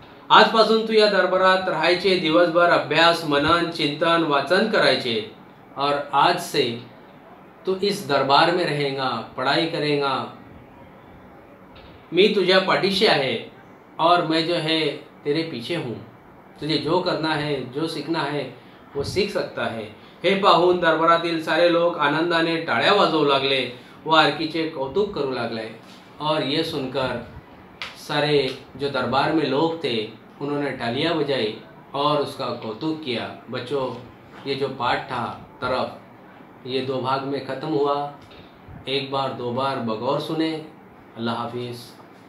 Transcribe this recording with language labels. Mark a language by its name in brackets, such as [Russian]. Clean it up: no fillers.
[Marathi] आजपासून तू या दरबारात राहायचे, दिवसभर अभ्यास, मनन, चिंतन, वाचन करायचे [Hindi] और आज से तू इस दरबार में रहेगा, पढ़ाई करेगा। [Marathi] मी तुझा पाठीशी आहे [Hindi] और मैं जो है तेरे पीछे हूँ। तुझे जो करना है, जो सीखना है वो सीख सकता है। [Marathi] हे पाहून दरबारातील सारे लोग आनंदाने टाळ्या वाजवू लागले, वो आरकीचे कौतुक करू लागले। [Hindi] और ये सुनकर सारे जो दरबार में लोग थे उन्होंने टालियां बजाई और उसका कौतुक किया। बच्चों, ये जो पाठ था तरफ, ये दो भाग में ख़त्म हुआ। एक बार दो बार बगौर सुने। अल्लाह हाफिज़।